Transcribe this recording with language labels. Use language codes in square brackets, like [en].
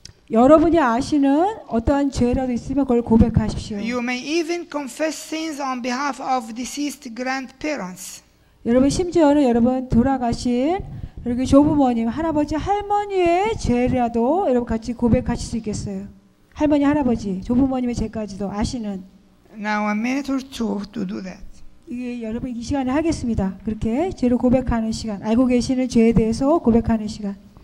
[ko] 여러분이 아시는 어떠한 죄라도 있으면 그걸 고백하십시오. [en] You may even confess sins on behalf of deceased grandparents. [ko] 여러분 심지어는 여러분 돌아가신 여러분 조부모님, 할아버지, 할머니의 죄라도 여러분 같이 고백하실 수 있겠어요. 할머니, 할아버지, 조부모님의 죄까지도 아시는. [en] Now a minute or two to do that. [ko] 이게 여러분 이 시간에 하겠습니다. 그렇게 죄를 고백하는 시간, 알고 계시는 죄에 대해서 고백하는 시간.